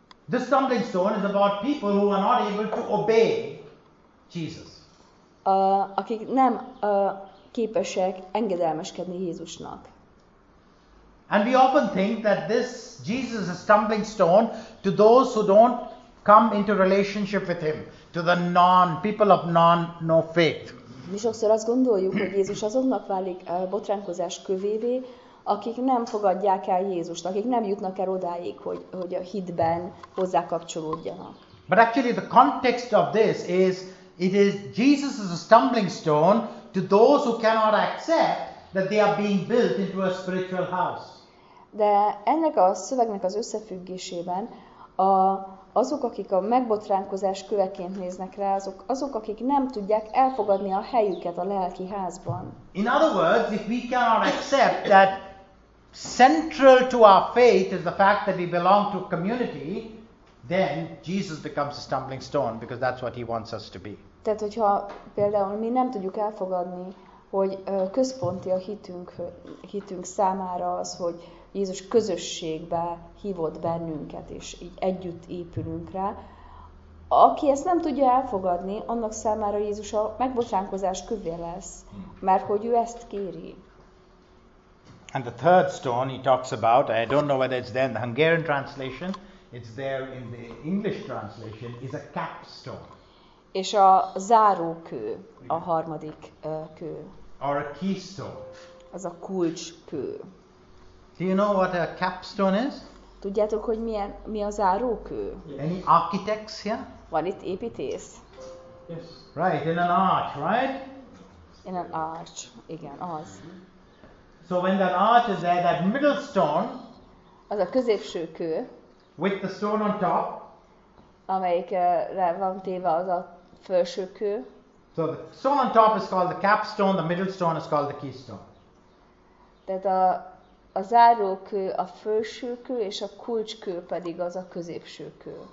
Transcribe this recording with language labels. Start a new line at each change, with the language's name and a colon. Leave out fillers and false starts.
English: The stumbling stone is about people who are not able to obey Jesus.
Hungarian: Akik nem képesek engedelmeskedni Jézusnak.
English: And we often think that this Jesus is a stumbling stone to those who don't come into relationship with him, to the people of no faith.
Hungarian: Mi sokszor azt gondoljuk, hogy Jézus azoknak válik botránkozás kövévé, akik nem fogadják el Jézust, akik nem jutnak el odáig, hogy a hitben hozzá kapcsolódjanak.
English: But actually the context of this is, it is Jesus is a stumbling stone to those who cannot accept that they are being built into a spiritual house.
Hungarian: De ennek a szövegnek az összefüggésében azok, akik a megbotránkozás köveként néznek rá, azok, akik nem tudják elfogadni a helyüket a lelki házban.
English: In other words, if we cannot accept that central to our faith is the fact that we belong to a community, then Jesus becomes a stumbling stone, because that's what he wants us to be.
Hungarian: Tehát, hogyha például mi nem tudjuk elfogadni, hogy központi a hitünk számára az, hogy Jézus közösségbe hívott bennünket, és így együtt épülünk rá. Aki ezt nem tudja elfogadni, annak számára Jézus a megbotránkozás kövé lesz, mert hogy ő ezt kéri.
English: And the third stone he talks about, I don't know whether it's there in the Hungarian translation, it's there in the English translation, is a capstone.
Hungarian: És a zárókő, a harmadik kő.
English: Or a keystone.
Hungarian: Az a kulcskő.
English: Do you know what a capstone is?
Hungarian: Tudjátok, hogy mi a zárókő?
English: Any architects here?
Hungarian: Van itt építész?
English: Yes. Right, in an arch, right? In an arch,
Hungarian: igen, az.
English: So when that arch is there, that middle stone,
Hungarian: az a középső kő,
English: with the stone on top,
Hungarian: amelyikre van téve az a felső kő.
English: So the stone on top is called the capstone, the middle stone is called the keystone.
Hungarian: Tehát a zárókő a felső kő, és a kulcskő pedig az a középső kő.